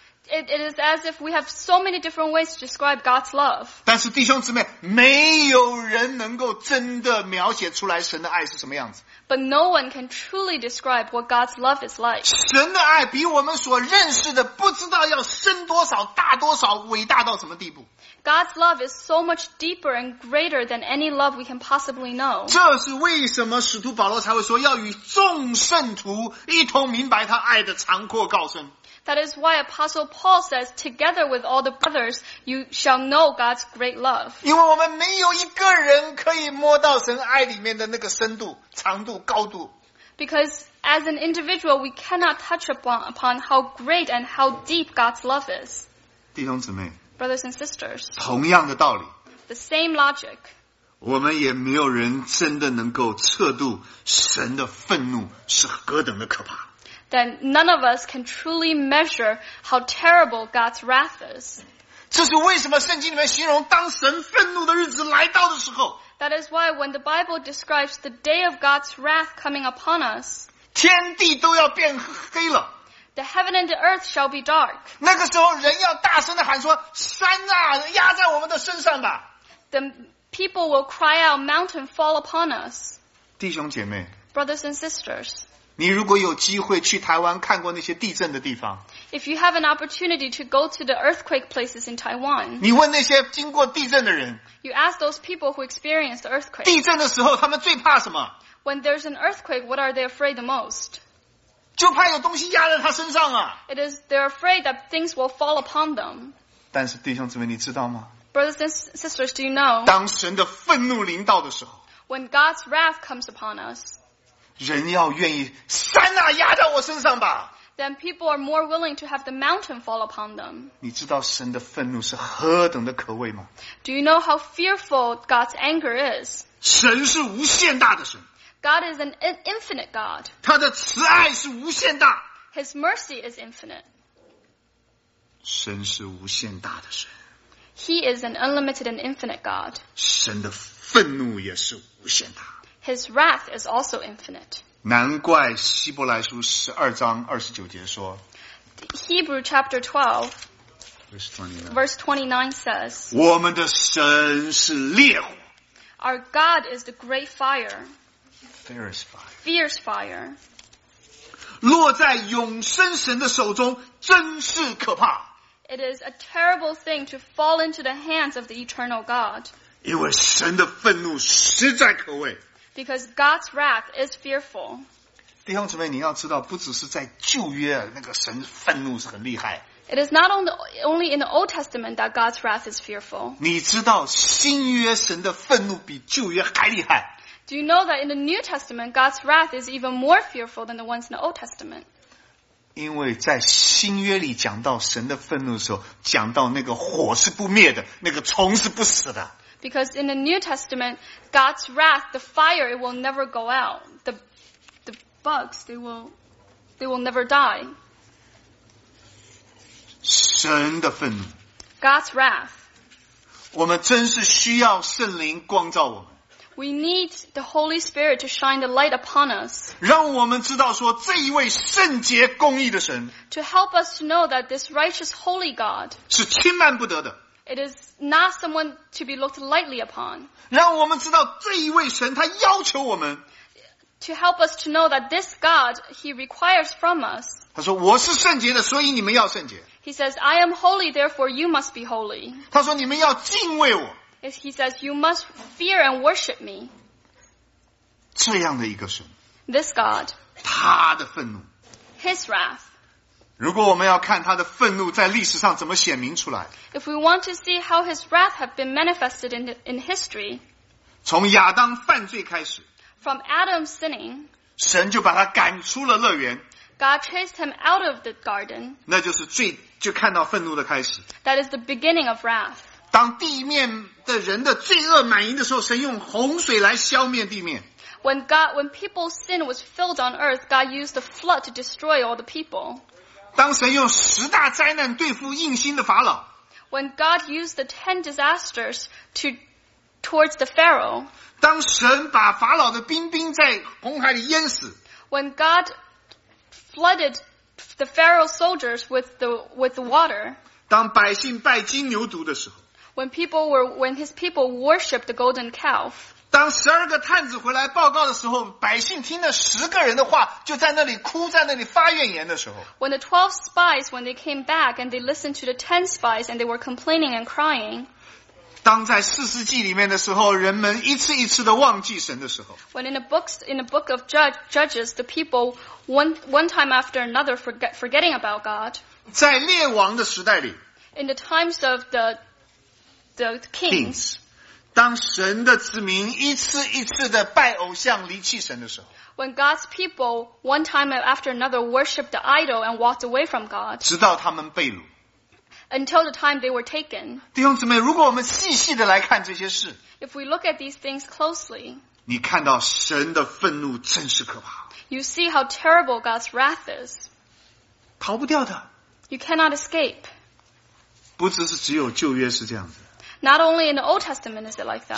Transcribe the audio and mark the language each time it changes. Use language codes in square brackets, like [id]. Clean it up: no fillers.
[en] It is as if we have so many different ways to describe God's love. [zh] 但是弟兄姊妹，没有人能够真的描写出来神的爱是什么样子。 [en] But no one can truly describe what God's love is like. [zh] 神的爱比我们所认识的不知道要深多少、大多少、伟大到什么地步。 [en] God's love is so much deeper and greater than any love we can possibly know. [zh] 这是为什么使徒保罗才会说要与众圣徒一同明白他爱的长阔高深。 [en] That is why Apostle Paul says, together with all the brothers, you shall know God's great love. [zh] 因为我们没有一个人可以摸到神爱里面的那个深度、长度、高度。 [en] Because as an individual, we cannot touch upon how great and how deep God's love is. [zh] 弟兄姊妹 [en] Brothers and sisters. [zh] 同样的道理 [en] The same logic. [zh] 我们也没有人真的能够测度神的愤怒是何等的可怕。 [en] That none of us can truly measure how terrible God's wrath is. [zh] 这是为什么圣经里面形容当神愤怒的日子来到的时候。 [en] That is why when the Bible describes the day of God's wrath coming upon us, [zh] 天地都要变黑了。 [en] The heaven and the earth shall be dark. [zh] 那个时候人要大声地喊说山啊压在我们的身上吧。 [en] The people will cry out, mountain fall upon us. [zh] 弟兄姐妹。 [en] Brothers and sisters. [zh] 你如果有机会去台湾看过那些地震的地方 [en] If you have an opportunity to go to the earthquake places in Taiwan [zh] 你问那些经过地震的人 [en] You ask those people who experienced the earthquake [zh] 地震的时候他们最怕什么 [en] When there's an earthquake, what are they afraid the most? [zh] 就怕有东西压在他身上啊 [en] It is they're afraid that things will fall upon them [zh] 但是弟兄姊妹你知道吗 [en] Brothers and sisters, do you know? [zh] 当神的愤怒临到的时候 [en] When God's wrath comes upon us [zh] 人要愿意山啊压在我身上吧。 [en] Then people are more willing to have the mountain fall upon them. [zh] 你知道神的愤怒是何等的可畏吗 [en] ？Do you know how fearful God's anger is? [zh] 神是无限大的神。 [en] God is an infinite God. [zh] 他的慈爱是无限大。 [en] His mercy is infinite. [zh] 神是无限大的神。 [en] He is an unlimited and infinite God. [zh] 神的愤怒也是无限大。 [en] His wrath is also infinite. [zh] 难怪希伯来书十二章二十九节说 [en] Hebrew chapter 12 verse 29 says [zh] 我们的神是烈火 [en] Our God is the great fire. Fierce fire. Fierce fire. [zh] 落在永生神的手中真是可怕 [en] It is a terrible thing to fall into the hands of the eternal God. [zh] 因为神的愤怒实在可畏 [en] Because God's wrath is fearful. [zh] 弟兄姊妹你要知道不只是在旧约那个神愤怒是很厉害。 [en] It is not only in the Old Testament that God's wrath is fearful. [zh] 你知道新约神的愤怒比旧约还厉害。 [en] Do you know that in the New Testament, God's wrath is even more fearful than the ones in the Old Testament? [zh] 因为在新约里讲到神的愤怒的时候讲到那个火是不灭的那个虫是不死的。 [en] Because in the New Testament, God's wrath, the fire, it will never go out. The bugs, they will never die. [zh] 神的愤怒。 [en] God's wrath. [zh] 我们真是需要圣灵光照我们。 [en] We need the Holy Spirit to shine the light upon us. [zh] 让我们知道说这一位圣洁公义的神。 [en] To help us to know that this righteous holy God. [zh] 是轻慢不得的。 [en] It is not someone to be looked lightly upon. [zh] 让我们知道这一位神他要求我们。 [en] To help us to know that this God, he requires from us. [zh] 他说我是圣洁的所以你们要圣洁。 [en] He says, I am holy, therefore you must be holy. [zh] 他说你们要敬畏我。 [en] He says, you must fear and worship me. [zh] 这样的一个神。 [en] This God. [zh] 他的愤怒。 [en] His wrath. [zh] 如果我们要看他的愤怒在历史上怎么显明出来 [en] If we want to see how his wrath have been manifested in history [zh] 从亚当犯罪开始 [en] From Adam sinning [zh] 神就把他赶出了乐园 [en] God chased him out of the garden [zh] 那就是最就看到愤怒的开始 [en] That is the beginning of wrath [zh] 当地面的人的罪恶满盈的时候神用洪水来消灭地面 [en] When people's sin was filled on earth God used the flood to destroy all the people [zh] 当神用十大灾难对付硬心的法老 [en] When God used the 10 disasters towards the Pharaoh [zh] 当神把法老的兵丁在红海里淹死 [en] When God flooded the Pharaoh's soldiers with the water [zh] 当百姓拜金牛犊的时候 [en] When his people worshipped the golden calf [zh] 当十二个探子回来报告的时候百姓听了十个人的话就在那里哭在那里发怨言的时候 [en] When the 12 spies when they came back and they listened to the 10 spies and they were complaining and crying [zh] 当在四世纪里面的时候人们一次一次的忘记神的时候 [en] When in the book of Judges the people one time after another forgetting about God [zh] 在列王的时代里 [en] In the times of the kings [zh] 当神的子民一次一次的拜偶像离弃神的时候 [en] When God's people one time after another worshiped the idol and walked away from God [zh] 直到他们被掳 [en] Until the time they were taken [zh] 弟兄姊妹如果我们细细的来看这些事 [en] If we look at these things closely [zh] 你看到神的愤怒真是可怕 [en] You see how terrible God's wrath is [zh] 逃不掉的 [en] You cannot escape [zh] 不只是只有旧约是这样子 [en] Not only in the Old Testament is it like that.